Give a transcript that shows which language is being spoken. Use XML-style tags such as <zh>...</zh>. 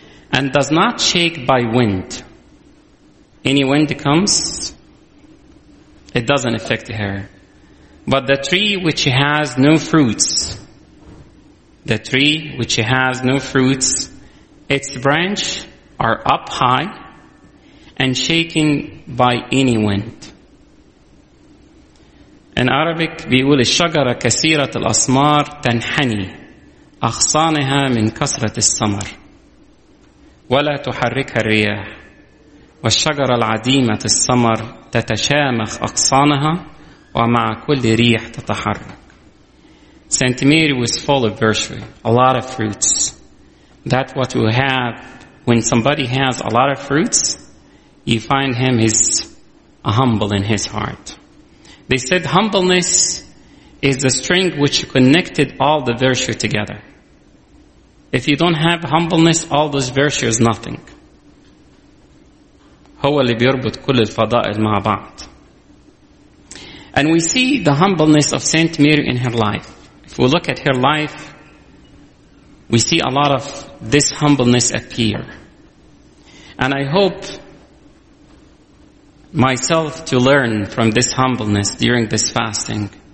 <en>And does not shake by wind. Any wind comes, it doesn't affect her. But the tree which has no fruits, the tree which has no fruits, its branch are up high and shaken by any wind. In Arabic,</en> <ar>بيقول الشجرة كثيرة الأسمار تنحني أخصانها من كثرة السمر ولا تحركها الرياح والشجرة العديمة السمر تتشامخ أقصانها ومع كل ريح تتحرك.</ar> <en>Saint Mary was full of virtue, a lot of fruits. That's what we have when somebody has a lot of fruits, you find him is humble in his heart. They said humbleness is the string which connected all the virtue together. If you don't have humbleness, all those virtues, nothing.</en> <ar>هو اللي بيربط كل الفضائل مع بعض.</ar> <en>And we see the humbleness of Saint Mary in her life. If we look at her life, we see a lot of this humbleness appear. And I hope myself to learn from this humbleness during this fasting.</en>